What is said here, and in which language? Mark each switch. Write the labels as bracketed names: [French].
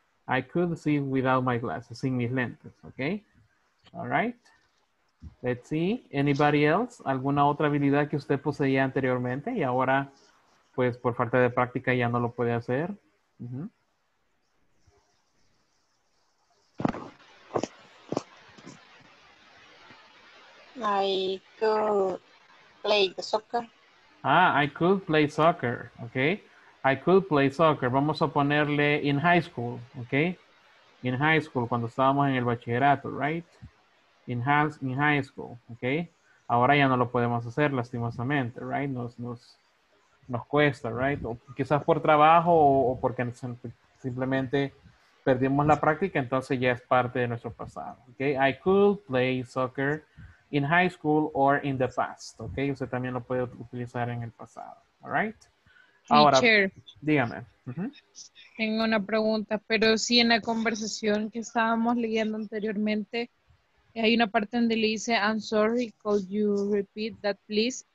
[English] I could see without my glasses, [Spanish] sin mis lentes, [English] okay? All right. Let's see. Anybody else? [Spanish] ¿Alguna otra habilidad que usted poseía anteriormente y ahora, pues, por falta de práctica ya no lo puede hacer? Mm-hmm. [English] I could play the soccer. Ah, I could play soccer, okay? I could play soccer. [Spanish] Vamos a ponerle [English] in high school, okay? In high school, [Spanish] cuando estábamos en el bachillerato, [English] right? In high school, okay? [Spanish] Ahora ya no lo podemos hacer, lastimosamente, right? Nos cuesta, right? O quizás por trabajo o porque simplemente perdimos la práctica, entonces ya es parte de nuestro pasado, okay? [English] I could play soccer in high school or in the past, okay? [Spanish] Usted también lo puede utilizar en el pasado, all right? Ahora, teacher, dígame. Uh-huh. Tengo una pregunta, pero sí, en la conversación que estábamos leyendo anteriormente, hay una parte donde le dice, [English] I'm sorry, could you repeat that, please?